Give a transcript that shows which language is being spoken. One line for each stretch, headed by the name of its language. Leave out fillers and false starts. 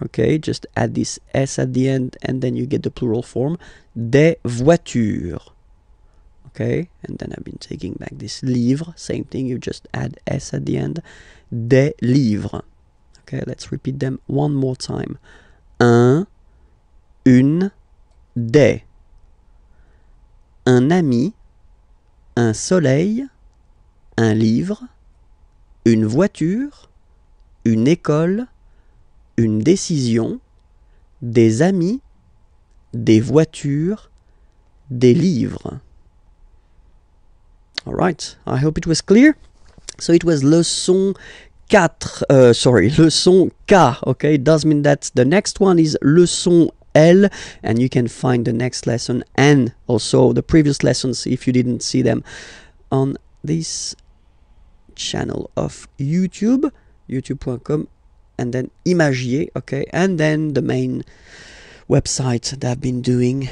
English: Okay, just add this S at the end and then you get the plural form.
French: Des voitures.
English: Okay, and then I've been taking back this livre. Same thing, you just add S at the end.
French: Des livres.
English: Okay, let's repeat them one more time.
French: Un, une, des. Un ami, un soleil, un livre, une voiture, une école, une décision, des amis, des voitures, des livres.
English: Alright, I hope it was clear. So it was leçon 4, sorry, leçon K, okay? It does mean that the next one is leçon L, and you can find the next lesson and also the previous lessons, if you didn't see them, on this channel of YouTube, youtube.com, and then Imagier, okay, and then the main website that I've been doing.